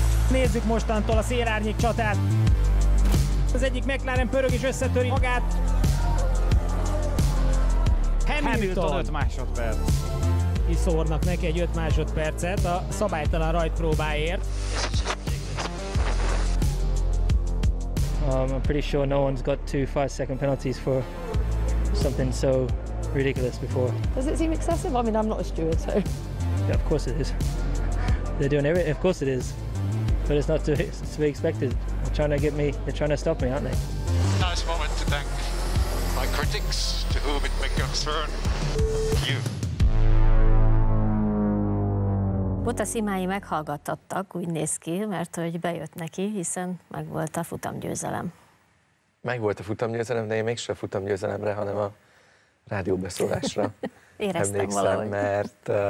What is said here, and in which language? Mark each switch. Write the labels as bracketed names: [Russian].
[Hungarian] Nézzük mostantól a szélárnyék csatát. Az egyik McLaren pörög és összetöri magát. Hamilton 5 másodperc. Kiszórnak neki egy 5 másodpercet a szabálytalan rajtpróbáért. [English] I'm pretty sure no one's got 2 5-second penalties for something so ridiculous before. Does it seem excessive? I mean, I'm not a steward, so. Yeah, of course it is. They're doing everything. Of course it is. But it's not to be expected. They're trying to stop me, aren't they? Nice moment to thank my critics, to whom it may concern you. [Hungarian] Bottas imái meghallgattattak, úgy néz ki, mert hogy bejött neki, hiszen megvolt a futamgyőzelem. Megvolt a futamgyőzelem, de én mégse a futamgyőzelemre, hanem a rádióbeszólásra emlékszem, valahogy. Mert...